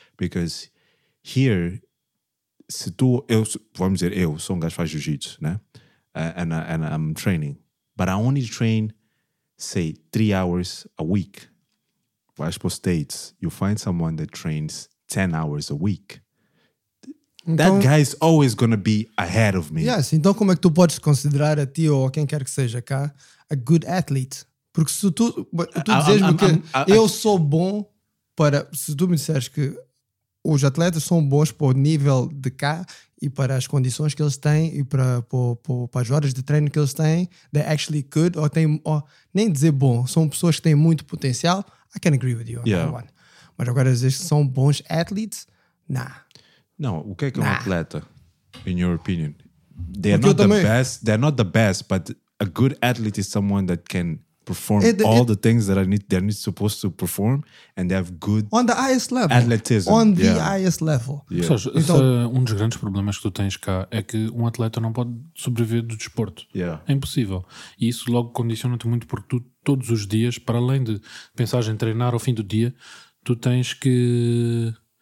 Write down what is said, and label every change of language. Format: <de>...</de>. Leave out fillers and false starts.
<pt>Because here, se tu, eu, vamos dizer, eu sou um gajo que faz jiu-jitsu, né?</pt> <en>And I'm training. But I only train, say, 3 hours a week. Well, I suppose states, you find someone that trains 10 hours a week.</en> <pt>Então,</pt> <en>that guy is always going to be ahead of me.</en> <pt>Yes, então como é que tu podes considerar a ti ou a quem quer que seja cá</pt> <en>a good athlete?</en> <pt>Porque se tu dizes-me que eu sou bom para... Se tu me disseres que os atletas são bons para o nível de cá e para as condições que eles têm e para as horas de treino que eles têm,</pt> <en>they're actually good,</en> <pt>nem dizer bom, são pessoas que têm muito potencial,</pt> <en>I can agree with you on that one.</en> <pt>Mas agora dizes que são bons athletes? Nah. Não, o que é que é um atleta,</pt> <en>in your opinion? They're not the best, but a good athlete is someone that can perform all the things that they're not supposed to perform and they have good on the highest level. Athletism. On the highest level. Yeah.</en> <pt>Então, um dos grandes problemas que tu tens cá é que um atleta não pode sobreviver do desporto.</pt> <en>Yeah.</en> <pt>É impossível. E isso logo condiciona-te muito porque tu, todos os dias, para além de pensares em treinar ao fim do dia, tu tens que...</pt>